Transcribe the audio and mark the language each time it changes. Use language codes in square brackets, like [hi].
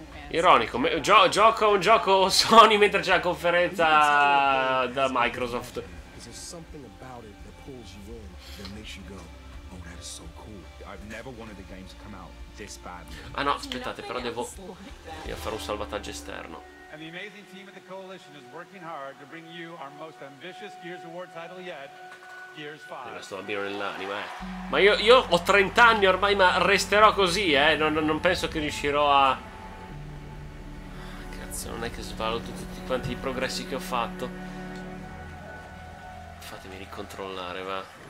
[it] Ironico, gioco un gioco Sony mentre c'è la conferenza da Microsoft. Ah no, aspettate, però devo fare un salvataggio esterno. [en] And the amazing team at the Coalition is working hard to bring you our most ambitious Gears Award title yet, Gears 5. [it] Resto bambino nell'anima, eh. Ma io ho 30 anni ormai, ma resterò così, non penso che riuscirò a... Cazzo, non è che svaluto tutti quanti i progressi che ho fatto. Fatemi ricontrollare, va.